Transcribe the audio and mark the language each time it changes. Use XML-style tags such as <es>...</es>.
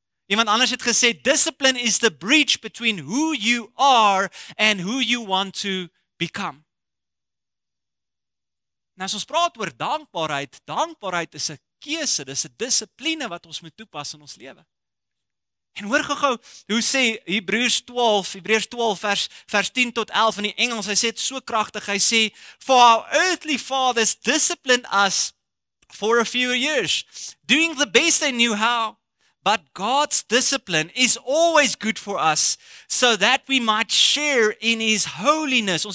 <af>Iemand anders het gesê,</af> <en>discipline is the bridge between who you are and who you want to become.</en> <af>Nou as ons praat oor dankbaarheid, dankbaarheid is 'n keuse, dis 'n dissipline wat ons moet toepas in ons lewe. En hoor gou-gou, hoe sê Hebreërs 12 vers 10 tot 11 in die Engels, hy sê</af> <en>dit so kragtig, hy sê, for our earthly fathers disciplined us for a few years, doing the best they knew how, but God's discipline is always good for us, so that we might share in his holiness.</en>